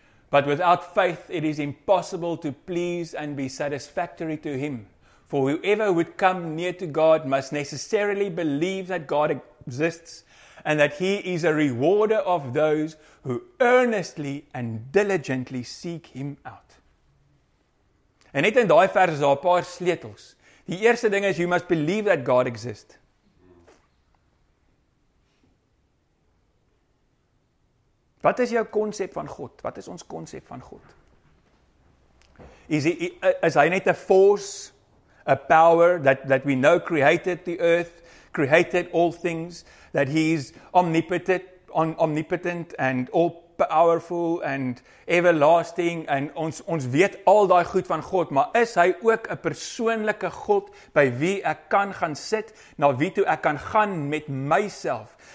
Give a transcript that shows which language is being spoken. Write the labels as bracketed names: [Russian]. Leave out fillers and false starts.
[English] But without faith it is impossible to please and be satisfactory to him. For whoever would come near to God must necessarily believe that God exists and that he is a rewarder of those who earnestly and diligently seek him out. En net in daai vers is daar 'n paar sleutels. Die eerste ding is you must believe that God exists. [Afrikaans] Wat is jou konsep van God? Wat is ons konsep van God? Is hy net 'n force, a power that we know created the earth, created all things, that he is omnipotent and all powerful and everlasting, and ons weet al daai goed van God, maar is hy ook 'n persoonlike God by wie ek kan gaan sit, na wie toe ek kan gaan met myself?